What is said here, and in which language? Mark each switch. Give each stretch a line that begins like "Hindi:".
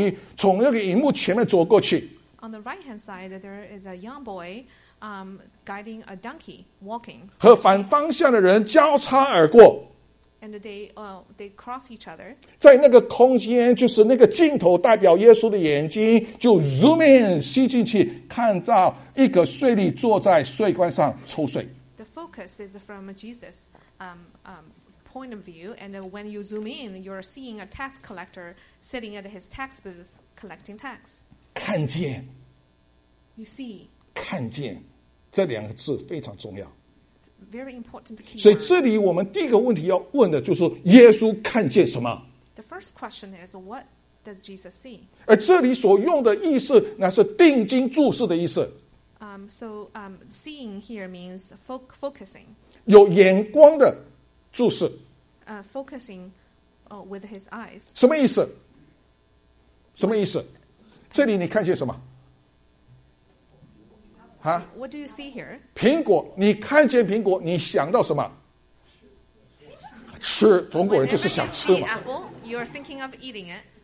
Chinese: 然后右边有一个小孩子牵着一条驴，从那个荧幕前面走过去。
English: On the right-hand side, there is a young boy, guiding a donkey walking.
Chinese: 和反方向的人交叉而过。
English: And they cross each other.
Chinese: 在那个空间，就是那个镜头代表耶稣的眼睛，就 zoom in 吸进去，看到一个税吏坐在税关上抽税。
English: The focus is from Jesus. Point of view, and when you zoom in, you're seeing a tax collector sitting at his tax booth collecting tax.
Chinese: 看见.
English: You see.
Chinese: 看见, 这两个字非常重要.
English: Very important key.
Chinese: 所以这里我们第一个问题要问的就是耶稣看见什么?
English: The first question is, what does Jesus see?
Chinese: 而这里所用的意思，那是定睛注视的意思.
English: Seeing here means focusing.
Chinese: 有眼光的.注视,
English: focusing with his eyes.
Chinese: 什么意思?什么意思?这里你看见什么?
English: What do you see here?
Chinese: 苹果, 你看见苹果, 你想到什么? 吃, 中国人就是想吃嘛。
English: When you see apple, you're thinking of eating it.